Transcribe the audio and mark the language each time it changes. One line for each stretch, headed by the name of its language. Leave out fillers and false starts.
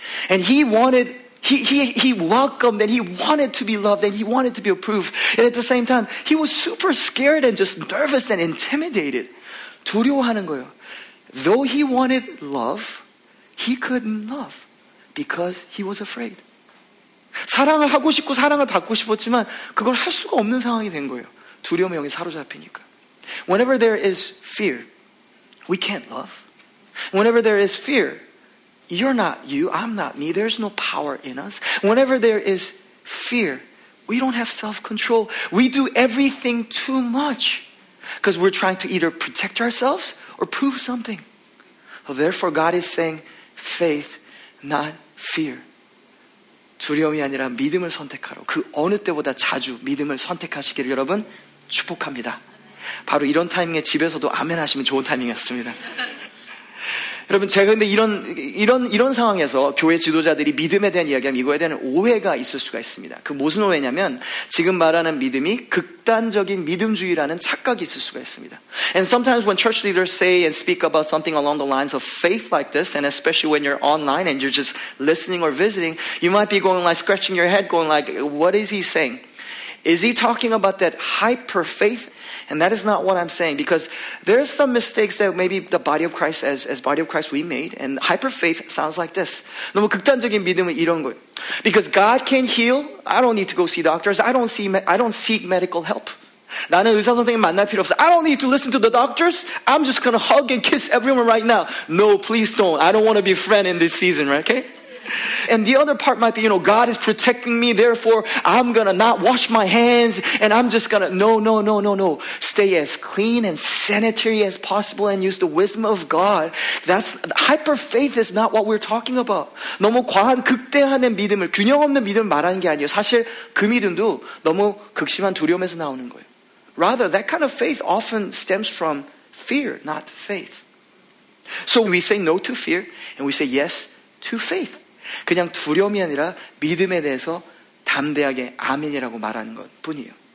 English: And he wanted, he welcomed and he wanted to be loved and he wanted to be approved. And at the same time, he was super scared and just nervous and intimidated.
Korean: 두려워하는 거예요.
English: Though he wanted love, he couldn't love because he was afraid.
Korean: 사랑을 하고 싶고 사랑을 받고 싶었지만 그걸 할 수가 없는 상황이 된 거예요. 두려움의 영이 사로잡히니까.
English: Whenever there is fear, we can't love. Whenever there is fear, you're not you, I'm not me. There's no power in us. Whenever there is fear, we don't have self-control. We do everything too much because we're trying to either protect ourselves or prove something. Therefore, God is saying faith, not fear.
Korean: 두려움이 아니라 믿음을 선택하러 그 어느 때보다 자주 믿음을 선택하시기를 여러분 축복합니다. 바로 이런 타이밍에 집에서도 아멘 하시면 좋은 타이밍이었습니다. 여러분, 제가 근데 이런 상황에서 교회 지도자들이 믿음에 대한 이야기하면 이거에 대한 오해가 있을 수가 있습니다. 그 무슨 오해냐면 지금 말하는 믿음이 극단적인 믿음주의라는 착각이 있을 수가 있습니다.
English: And sometimes when church leaders say and speak about something along the lines of faith like this, and especially when you're online and you're just listening or visiting, you might be going like scratching your head going like, what is he saying? Is he talking about that hyper faith? And that is not what I'm saying, because there are some mistakes that maybe the body of Christ, as body of Christ, we made. And hyper faith sounds like this.
Korean: 너무 극단적인 믿음은 이런 거예요.
English: Because God can heal, I don't need to go see doctors. I don't seek medical help.
Korean: 나는 의사 선생님 만날 필요 없어.
English: I don't need to listen to the doctors. I'm just gonna hug and kiss everyone right now. No, please don't. I don't want to be a friend in this season, right? Okay? And the other part might be, you know, God is protecting me, therefore I'm gonna not wash my hands, and I'm just gonna, no. Stay as clean and sanitary as possible and use the wisdom of God. That's, hyper faith is not what we're talking about.
Korean: 너무 과한 극대화된 믿음을, 균형 없는 믿음을 말하는 게 아니에요. 사실 그 믿음도 너무 극심한 두려움에서 나오는 거예요.
English: Rather, that kind of faith often stems from fear, not faith. So we say no to fear, and we say yes to faith.
Korean: 그냥 두려움이 아니라 믿음에 대해서 담대하게 아멘이라고 말하는 것 뿐이에요.